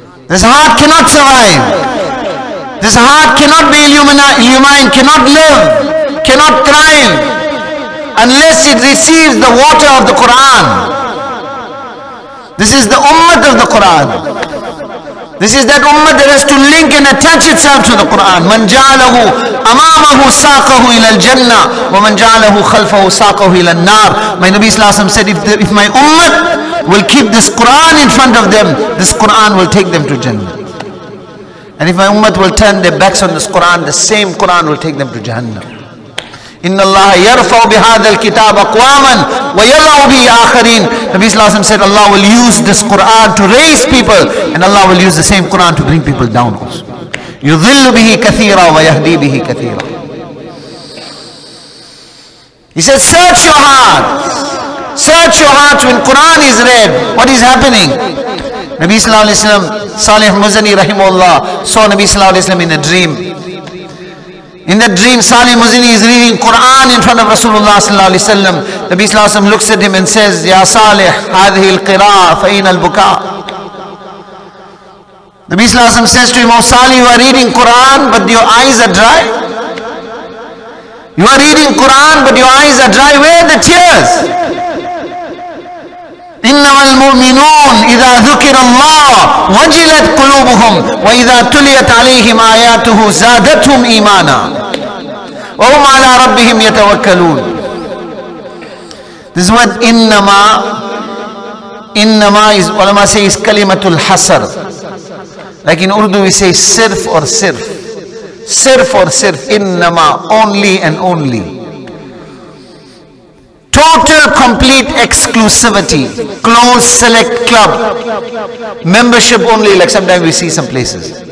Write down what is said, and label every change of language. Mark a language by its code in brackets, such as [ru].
[en] This heart cannot survive. This heart cannot be illumined, cannot live, cannot thrive, unless it receives the water of the Quran. This is the ummat of the Quran. This is that ummah that has to link and attach itself to the Quran. [ar] من جعله أمامه ساقه إلى الجنة ومن جعله خلفه ساقه إلى النار. [en] My Nabi Sallallahu Alaihi Wasallam said, if my ummah will keep this Quran in front of them, this Quran will take them to Jannah. And if my ummah will turn their backs on this Quran, the same Quran will take them to Jahannam. [ar] إن الله يرفع بهذا الكتاب أقواما ويلع به آخرين. [en] Nabi Sallallahu Alaihi Wasallam said, Allah will use this Quran to raise people, and Allah will use the same Quran to bring people down also. [ar] يضل به كثيرا ويهدي به كثيرا. [en] He said, search your heart. Search your heart when Quran is read. What is happening? Nabi Sallallahu Alaihi Wasallam, Salih Muzani Rahimullah, saw Nabi Sallallahu Alaihi Wasallam in a dream. In that dream, Salih Muzani is reading Quran in front of Rasulullah Sallallahu Alaihi Wasallam. Nabi Sallallahu Alaihi Wasallam looks at him and says, [ar] Ya Salih, hadhihi al-qira'a, fa'ina al-buka. [en] Nabi Sallallahu Alaihi Wasallam says to him, O Salih, you are reading Quran, but your eyes are dry. You are reading Quran, but your eyes are dry. Where are the tears? [ar] إنما المؤمنون إذا ذكر الله وجلت قلوبهم وإذا تليت عليهم آياته زادتهم إيمانا وهم على ربهم يتوكلون. [en] This is what إنما is. [ar] علماء [en] say is [ar] كلمة الحصر. [en] Like in Urdu we say صرف or صرف. [ur] صرف or صرف. [en] إنما only and only. Total complete exclusivity, close select club, membership only, like sometimes we see some places.